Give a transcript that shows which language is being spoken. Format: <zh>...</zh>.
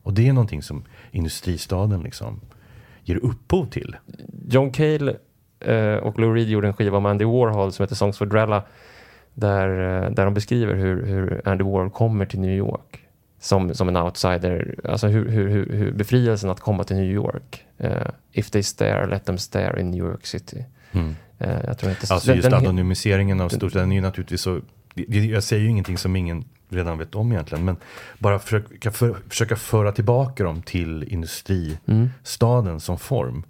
<sv>Och det är någonting som industristaden liksom ger upphov till. John Cale och Lou Reed gjorde en skiva om Andy Warhol som heter Songs for Drella. Där de beskriver hur Andy Warhol kommer till New York som en outsider. Alltså hur befrielsen att komma till New York.</sv> <en>If they stare, let them stare in New York City. Mm.</en> <sv>Jag tror inte, alltså just den anonymiseringen av storstaden är ju naturligtvis så... Jag säger ju ingenting som ingen redan vet om egentligen. Men bara försöka föra tillbaka dem till industristaden som form.</sv>